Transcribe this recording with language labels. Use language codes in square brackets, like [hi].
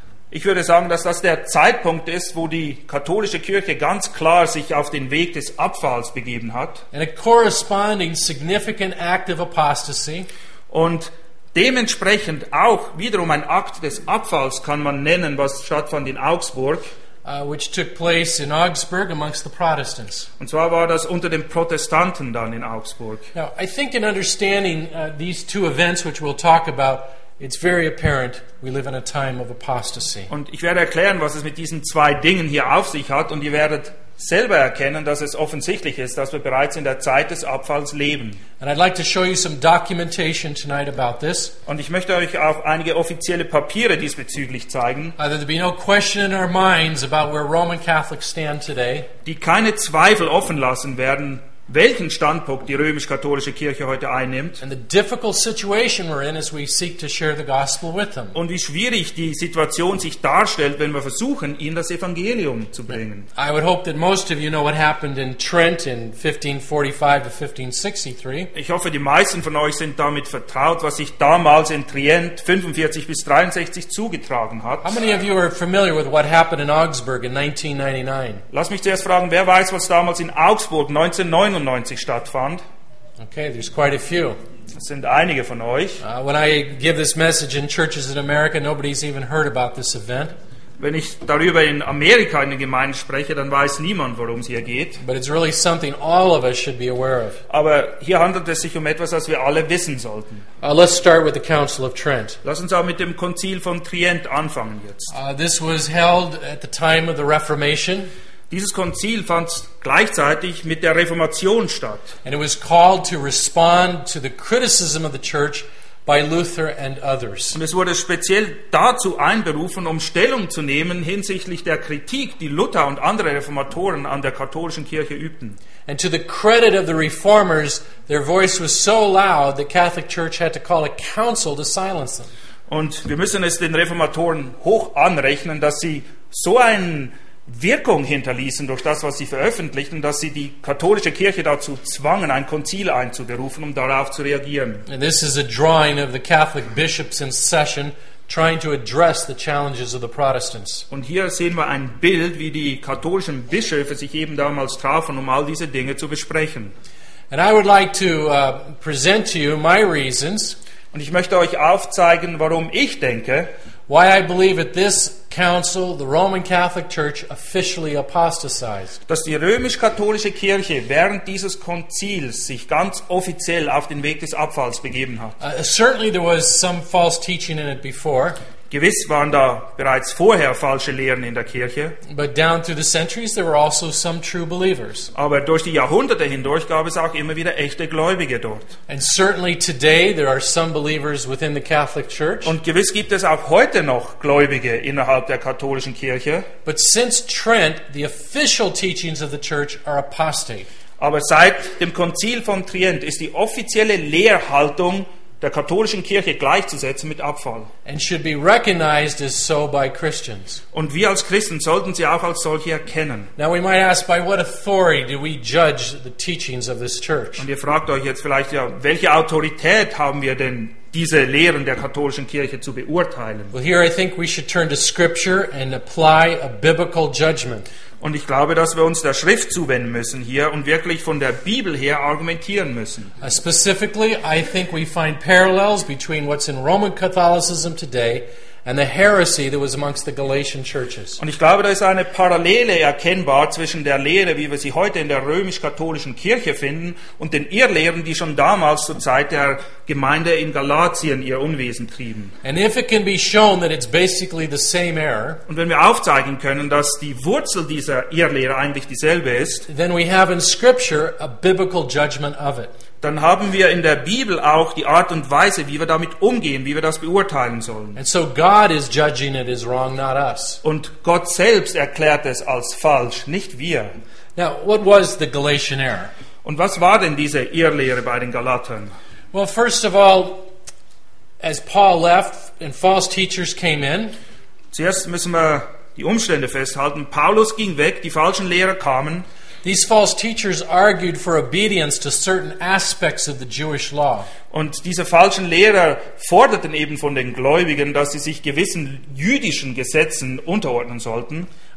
[de] Ich würde sagen, dass das der Zeitpunkt ist, wo die katholische Kirche ganz klar sich auf den Weg des Abfalls begeben hat. [en] And a corresponding significant act of apostasy. [de] Und dementsprechend auch wiederum ein Akt des Abfalls kann man nennen, was stattfand in Augsburg. [en] Which took place in Augsburg amongst the Protestants. [de] Und zwar war das unter den Protestanten dann in Augsburg. [en] Now, I think in understanding these two events, which we'll talk about, it's very apparent we live in a time of apostasy. [de] Und ich werde erklären, was es mit diesen zwei Dingen hier auf sich hat, und ihr werdet selber erkennen, dass es offensichtlich ist, dass wir bereits in der Zeit des Abfalls leben. [en] And I'd like to show you some documentation tonight about this. [de] Und ich möchte euch auch einige offizielle Papiere diesbezüglich zeigen. [en] There be no question in our minds about where Roman Catholics stand today. [de] Die keine Zweifel offen lassen werden, welchen Standpunkt die römisch-katholische Kirche heute einnimmt. [en] And the difficult situation we're in as we seek to share the gospel with them. [de] Und wie schwierig die Situation sich darstellt, wenn wir versuchen, ihnen das Evangelium zu bringen. [en] I would hope that most of you know what happened in Trent in 1545 to 1563. [de] Ich hoffe, die meisten von euch sind damit vertraut, was sich damals in Trient 45 bis 63 zugetragen hat. [en] How many of you are familiar with what happened in Augsburg in 1999? [de] Lass mich zuerst fragen, wer weiß, was damals in Augsburg 1999 stattfand. [en] Okay, there's quite a few. [de] Es sind einige von euch. [en] When I give this message in churches in America, nobody's even heard about this event. [de] Wenn ich darüber in Amerika in den Gemeinden spreche, dann weiß niemand, worum es hier geht. [en] But it's really something all of us should be aware of. [de] Aber hier handelt es sich um etwas, das wir alle wissen sollten. [en] Let's start with the Council of Trent. [de] Lass uns auch mit dem Konzil von Trient anfangen jetzt. [en] This was held at the time of the Reformation. [de] Dieses Konzil fand gleichzeitig mit der Reformation statt. [en] And it was called to respond to the criticism of the church by Luther and others. [de] Und es wurde speziell dazu einberufen, um Stellung zu nehmen hinsichtlich der Kritik, die Luther und andere Reformatoren an der katholischen Kirche übten. [en] And to the credit of the reformers, their voice was so loud the Catholic Church had to call a council to silence them. [de] Und wir müssen es den Reformatoren hoch anrechnen, dass sie so einen Wirkung hinterließen durch das, was sie veröffentlichten, dass sie die katholische Kirche dazu zwangen, ein Konzil einzuberufen, um darauf zu reagieren. [en] And this is a drawing of the Catholic bishops in session trying to address the challenges of the Protestants. [de] Und hier sehen wir ein Bild, wie die katholischen Bischöfe sich eben damals trafen, um all diese Dinge zu besprechen. [en] And I would like to present to you my reasons. [de] Und ich möchte euch aufzeigen, warum ich denke, [en] why I believe at this council the Roman Catholic Church officially apostatized. [de] Dass die römisch-katholische Kirche während dieses Konzils sich ganz offiziell auf den Weg des Abfalls begeben hat. [en] Certainly there was some false teaching in it before. [de] Gewiss waren da bereits vorher falsche Lehren in der Kirche. [en] But down through the centuries there were also some true believers. [de] Aber durch die Jahrhunderte hindurch gab es auch immer wieder echte Gläubige dort. [en] And certainly today there are some believers within the Catholic Church. [de] Und gewiss gibt es auch heute noch Gläubige innerhalb der katholischen Kirche. [en] But since Trent the official teachings of the church are apostate. [de] Aber seit dem Konzil von Trient ist die offizielle Lehrhaltung der katholischen Kirche gleichzusetzen mit Abfall. [en] And should be recognized as so by Christians. [de] Und wir als Christen sollten sie auch als solche erkennen. [en] Now we might ask, by what authority do we judge the teachings of this church? [de] Und ihr fragt euch jetzt vielleicht, ja, welche Autorität haben wir denn, diese Lehren der katholischen Kirche zu beurteilen? [en] Well, here I think we should turn to Scripture and apply a biblical judgment. [de] Und ich glaube, dass wir uns der Schrift zuwenden müssen hier und wirklich von der Bibel her argumentieren müssen. [en] Specifically, I think we find parallels between what's in Roman Catholicism today and the heresy that was amongst the Galatian churches. [de] Und ich glaube, da ist eine Parallele erkennbar zwischen der Lehre, wie wir sie heute in der römisch-katholischen Kirche finden, und den Irrlehren, die schon damals zur Zeit der Gemeinde in Galatien ihr Unwesen trieben. [en] And if it can be shown that it's basically the same error, [de] und wenn wir aufzeigen können, dass die Wurzel dieser Irrlehre eigentlich dieselbe ist, [en] then we have in Scripture a biblical judgment of it. [de] Dann haben wir in der Bibel auch die Art und Weise, wie wir damit umgehen, wie wir das beurteilen sollen. [en] And so God is judging it as wrong, not us. [de] Und Gott selbst erklärt es als falsch, nicht wir. [en] Now, what was the Galatian error? [de] Und was war denn diese Irrlehre bei den Galatern? [en] Well, first of all, as Paul left and false teachers came in. [de] Zuerst müssen wir die Umstände festhalten. Paulus ging weg, die falschen Lehrer kamen. [en] These false teachers argued for obedience to certain aspects of the Jewish law. [de] Und diese falschen Lehrer forderten eben von den Gläubigen, dass sie sich gewissen jüdischen Gesetzen unterordnen sollten.